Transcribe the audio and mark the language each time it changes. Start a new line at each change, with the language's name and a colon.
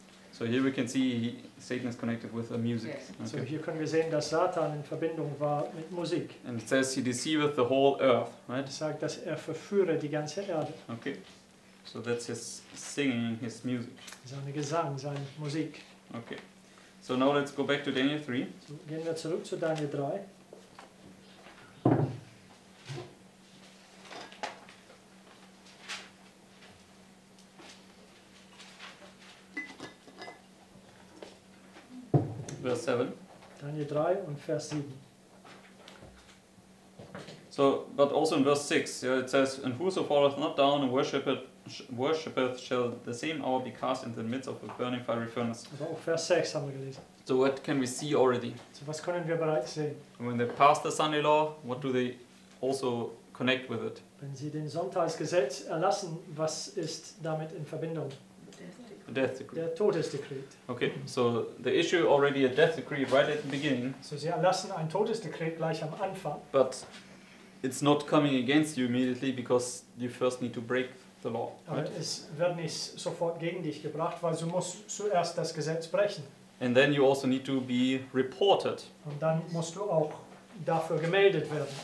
English: So here we can see Satan is connected with the music. Yes. Okay. So here
German: können wir sehen, dass Satan in Verbindung war mit Musik.
English: And it says he deceiveth the whole earth, right?
German: Er sagt, dass er verführe die ganze Erde.
English: Okay, so that's his singing, his music.
German: Sein Gesang, seine Musik.
English: Okay, so now let's go back to Daniel 3.
German: So gehen wir zurück zu Daniel 3.
English: Verse 7.
German: Daniel 3 und Vers 7.
English: So, but also in verse 6, yeah, it says, and whoso falleth not down and worshipeth shall the same hour be cast into the midst of a burning fiery furnace.
German: Also auch Vers 6 haben wir gelesen.
English: So what can we see already?
German: So was können wir bereits sehen?
English: And when they pass the Sunday law, what do they also connect with it?
German: Wenn sie den Sonntagsgesetz erlassen, was ist damit in Verbindung?
English: Death decree.
German: Der Todesdekret.
English: Okay, so they issue already a death decree right at the beginning.
German: So sie erlassen ein Todesdekret gleich am Anfang.
English: But it's not coming against you immediately because you first need to break the law.
German: Aber
English: right?
German: Es wird nicht sofort gegen dich gebracht, weil du musst zuerst das Gesetz brechen.
English: And then you also need to be reported.
German: Und dann musst du auch dafür gemeldet werden.